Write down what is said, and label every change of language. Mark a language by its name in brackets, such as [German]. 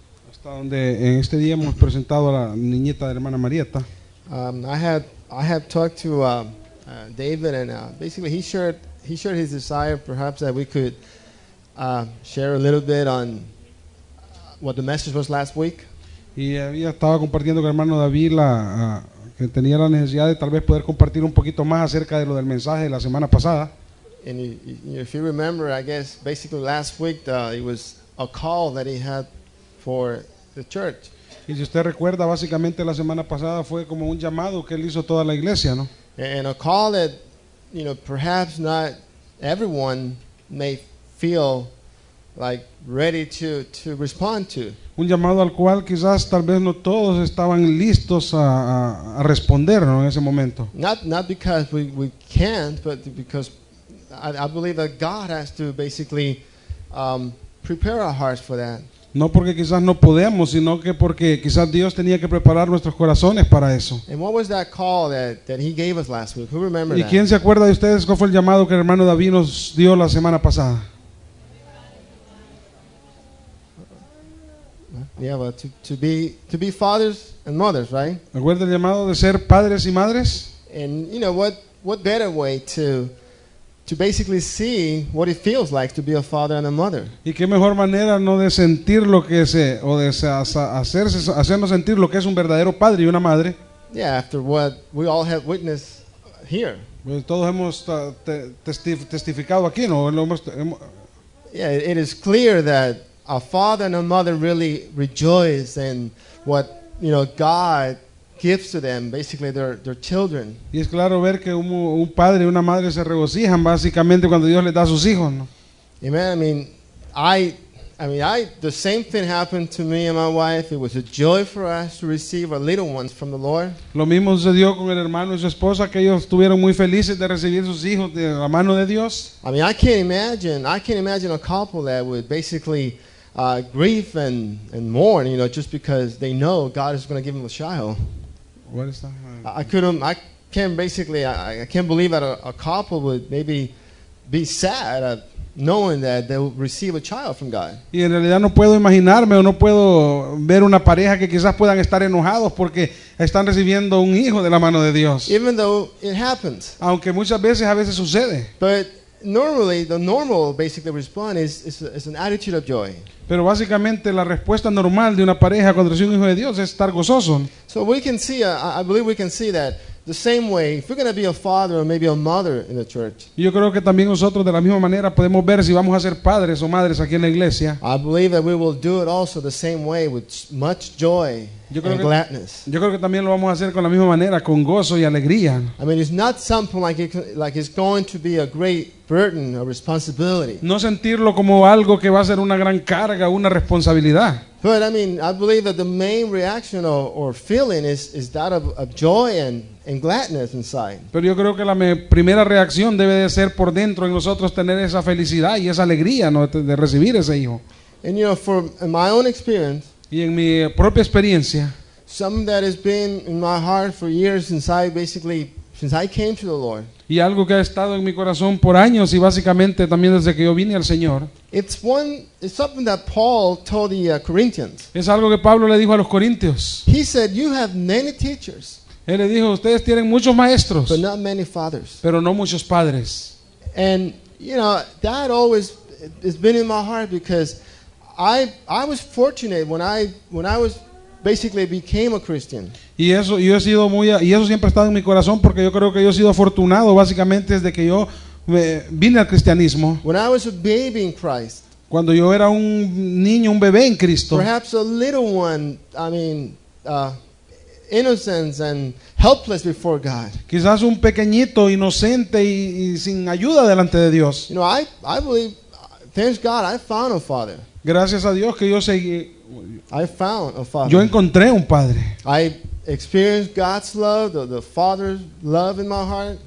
[Spanish] Hasta donde en este día hemos presentado a la niñita de la hermana Marieta. [English] I have talked to David, and basically he shared his desire, perhaps that we could share a little bit on what the message was last week. [Spanish] Y había estado compartiendo con el hermano David la que tenía la necesidad de tal vez poder compartir un poquito más acerca de lo del mensaje de la semana pasada. [English] And if you remember, I guess basically last week it was a call that he had for the church. [Spanish] Y si usted recuerda, básicamente la semana pasada fue como un llamado que él hizo toda la iglesia, ¿no? [English] And a call that, you know, perhaps not everyone may feel like ready to respond to. [Spanish] Un llamado al cual quizás tal vez no todos estaban listos a responder, ¿no? En ese momento. [English] Not because we can't, but because I believe that God has to basically prepare our hearts for that. [Spanish] No porque quizás no podemos, sino que porque quizás Dios tenía que preparar nuestros corazones para eso. [English] And what was that call that he gave us last week? Who remembers that? [Spanish] ¿Y quién se acuerda de ustedes cuál fue el llamado que el hermano David nos dio la semana pasada? [English] Yeah, but to be fathers and mothers, right? [Spanish] ¿Recuerda el llamado de ser padres y madres? [English] And you know what better way to basically see what it feels like to be a father and a mother. [Spanish] ¿Y qué mejor manera no de sentir lo que es o de hacernos sentir lo que es un verdadero padre y una madre? [English] Yeah, after what we all have witnessed here. [Spanish] Pues todos hemos testificado aquí, ¿no? [English] Yeah, it is clear that a father and a mother really rejoice in what, you know, God gives to them, basically their children. [Spanish] Y es claro ver que un padre y una madre se regocijan básicamente cuando Dios les da sus hijos, ¿no? [English] Amen. I mean, the same thing happened to me and my wife. It was a joy for us to receive our little ones from the Lord. [Spanish] Lo mismo sucedió con el hermano y su esposa, que ellos estuvieron muy felices de recibir sus hijos de la mano de Dios. [English] I mean, I can't imagine a couple that would basically grief and mourn, you know, just because they know God is going to give them a child. What is that? I can't believe that a couple would maybe be sad at knowing that they will receive a child from God. [Spanish] Y en realidad no puedo imaginarme o no puedo ver una pareja que quizás puedan estar enojados porque están recibiendo un hijo de la mano de Dios. [English] Even though it happens. [Spanish] Aunque muchas veces a veces sucede. [English] But normally, the normal basically response is an attitude of joy. [Spanish] Pero básicamente la respuesta normal de una pareja cuando recibe un hijo de Dios es estar gozoso. [English] So we can see, I believe we can see that The same way, if we're going to be a father or maybe a mother in the church. [Spanish] Yo creo que también nosotros de la misma manera podemos ver si vamos a ser padres o madres aquí en la iglesia. [English] I believe that we will do it also the same way with much joy and gladness. [Spanish] Yo creo que también lo vamos a hacer con la misma manera, con gozo y alegría. [English] I mean, it's not something like it's going to be a great burden or responsibility. [Spanish] No sentirlo como algo que va a ser una gran carga, una responsabilidad. [English] But I mean, I believe that the main reaction or feeling is that of joy and gladness inside. [Spanish] Pero yo creo que la primera reacción debe de ser por dentro en nosotros tener esa felicidad y esa alegría, ¿no?, de recibir ese hijo. [English] And you know, from my own experience. [Spanish] Y en mi propia experiencia. [English] Something that has been in my heart for years since I came to the Lord. [Spanish] Y algo que ha estado en mi corazón por años y básicamente también desde que yo vine al Señor. [English] It's something that Paul told the Corinthians. [Spanish] Es algo que Pablo le dijo a los corintios. [English] He said, "You have many teachers." [Spanish] Él le dijo, ustedes tienen muchos maestros. [English] But not many fathers. [Spanish] Pero no muchos padres. [English] And you know, that always has been in my heart because I was fortunate when I was basically became a Christian. [Spanish] Y eso yo he sido muy y eso siempre ha estado en mi corazón porque yo creo que yo he sido afortunado básicamente desde que yo vine al cristianismo. [English] When I was a baby in Christ. [Spanish] Cuando yo era un niño, un bebé en Cristo. [English] Perhaps a little one, I mean, innocent and helpless before God. [Spanish] Quizás un pequeñito inocente y sin ayuda delante de Dios. [English] You know, I believe, thanks God, I found a father. [Spanish] Gracias a Dios que yo seguí. [English] I found a father. [Spanish] Yo encontré un padre. [English] I experienced God's love, the Father's love in my heart.